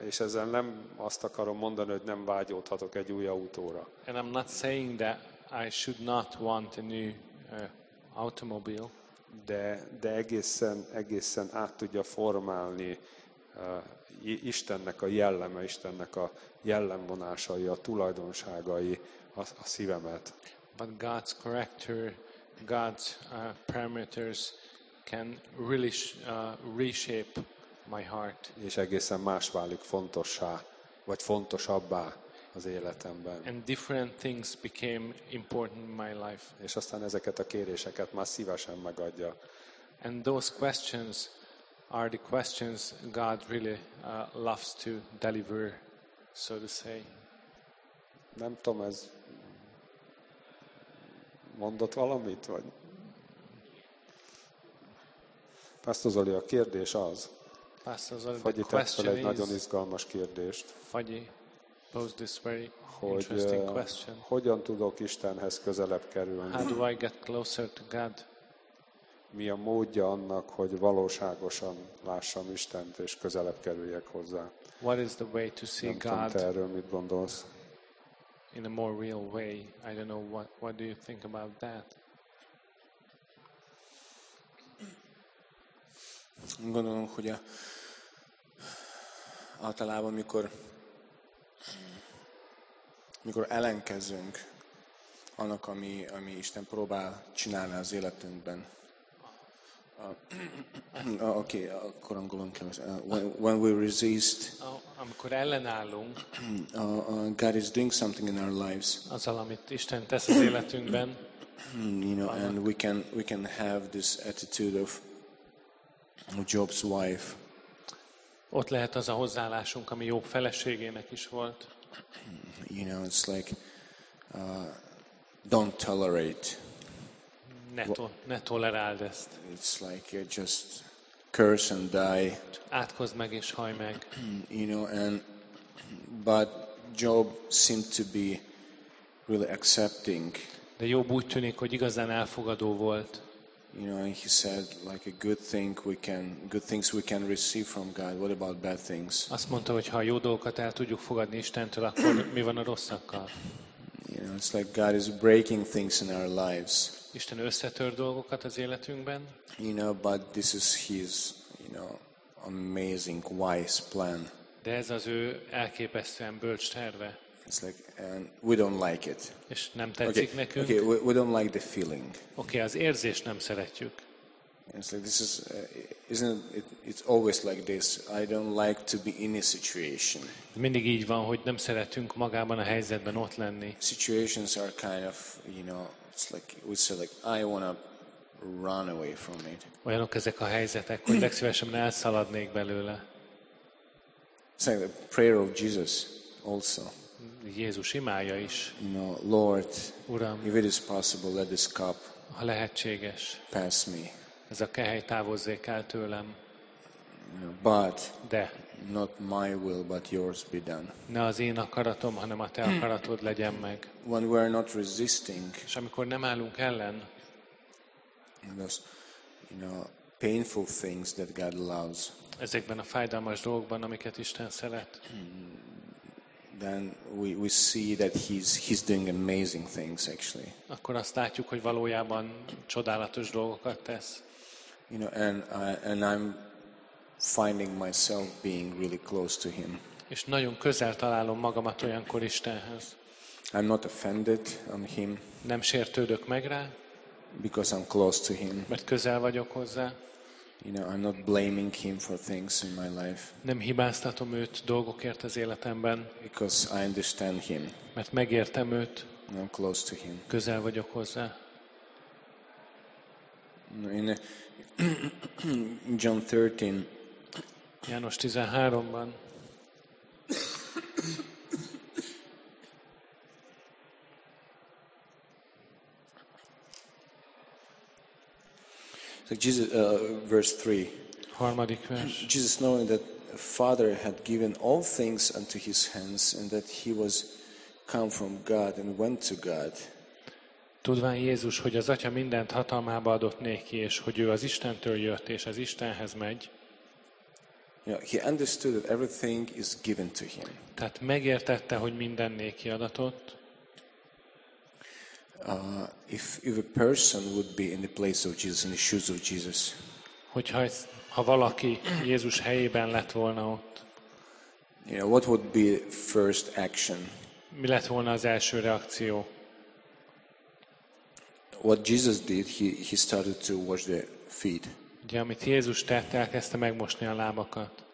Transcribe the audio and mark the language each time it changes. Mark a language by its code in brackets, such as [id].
[hu] És ezzel nem azt akarom mondani, hogy nem vágyódhatok egy új autóra. [en] And I'm not saying that I should not want a new automobile. [hu] De egészen át tudja formálni Istennek a jelleme, Istennek a jellemvonásai, a tulajdonságai a szívemet. [en] But God's character, God's parameters can really reshape my heart. [hu] És egészen más válik fontossá, vagy fontosabbá az életemben. [en] And different things became important in my life. [hu] És aztán ezeket a kéréseket már szívesen megadja. [en] And those questions are the questions God really loves to deliver, so to say. [hu] Nem tudom, ez mondott valamit, vagy... Pásztor Zoli, a kérdés az. Fagyi tett fel egy nagyon izgalmas kérdést. [en] Fagyi posed this very [hu] hogy, [en] interesting question. [hu] Hogyan tudok Istenhez közelebb kerülni? [en] How do I get closer to God? [hu] Mi a módja annak, hogy valóságosan lássam Istent és közelebb kerüljek hozzá? [en] What is the way to see [hu] Nem [en] God? [hu] Tudom, te erről mit gondolsz? [en] In a more real way. I don't know what do you think about that? [hu] Gondolom, hogy általában, mikor ellenkezünk annak, ami Isten próbál csinálni az életünkben. Oké, akkor angolom kell. [en] When we resist, [hu] amikor ellenállunk, [en] God is doing something in our lives. [hu] Azzal, amit Isten tesz az életünkben. [en] You know, and we can have this attitude of Job's wife. [hu] Ott lehet az a hozzáállásunk, ami Jób feleségének is volt. [en] You know, it's like don't tolerate. [hu] Ne tolerálj ezt. [en] It's like you just curse and die. [hu] Átkozd meg és halj meg. [en] You know, and but Job seemed to be really accepting. [hu] De Jób úgy tűnik, hogy igazán elfogadó volt. [en] You know, he said like a good things we can receive from God. What about bad things? [hu] Azt mondta, hogy ha jó dolgokat el tudjuk fogadni Istentől, akkor mi van a rosszakkal? [en] You know, it's like God is breaking things in our lives. [hu] Isten összetör dolgokat az életünkben. [en] You know, but this is his, you know, amazing wise plan. [hu] De ez az ő elképesztően bölcs terve. [en] It's like, and we don't like it. [hu] És nem tetszik nekünk. [en] Okay, we don't like the feeling. [hu] Okay, az érzést nem szeretjük. [en] It's like this is, isn't it? It's always like this. I don't like to be in a situation. [hu] Mindig így van, hogy nem szeretünk magában a helyzetben ott lenni. [en] Situations are kind of, you know, it's like we say like I want to run away from it. [hu] Olyanok ezek a helyzetek, hogy legszívesebben elszaladnék belőle. [en] It's like the prayer of Jesus also. [hu] Jézus imája is. [en] You know, Lord, [hu] Uram, [en] if it is possible, let this cup [hu] ha lehetséges, [en] pass me. [hu] Ez a kehely távozzék el tőlem. [en] You know, but [hu] de [en] not my will, but yours be done. [hu] Ne az én akaratom, hanem a te akaratod legyen meg. [en] When we are not resisting, [hu] és amikor nem állunk ellen, [en] those, you know, painful things that God loves. [hu] Ezekben a fájdalmas dolgokban, amiket Isten szeret. [en] then we see that he's doing amazing things actually. [hu] Akkor azt látjuk, hogy valójában csodálatos dolgokat tesz. [en] You know, and I'm finding myself being really close to him. [hu] És nagyon közel találom magamat olyankor Istenhez. [en] I'm not offended on him. [hu] Nem sértődök meg rá. [en] Because I'm close to him. [hu] Mert közel vagyok hozzá. [en] You know, I'm not blaming him for things in my life. [hu] Nem hibáztatom őt dolgokért az életemben. [en] Because I understand him. [hu] Mert megértem őt. [en] I'm close to him. [hu] Közel vagyok hozzá. [en] In John 13. [hu] János 13-ban. [en] Like Jesus, verse 3. [hu] Harmadik vers. [en] Jesus, knowing that Father had given all things unto his hands, and that he was come from God and went to God. [hu] Tudván Jézus, hogy az Atya mindent hatalmába adott néki, és hogy ő az Istentől jött, és az Istenhez megy. [en] You know, he understood that everything is given to him. [hu] Tehát megértette, hogy minden néki adatott. [en] If a person would be in the place of Jesus, in the shoes of Jesus. [hu] Hogyha ha valaki Jézus helyében lett volna ott. [en] You know, what would be first action? [hu] Mi lett volna az első reakció? [en] What Jesus did, he started to wash the feet. [hu] Ugye, amit Jézus tett, elkezdte megmosni a lábakat.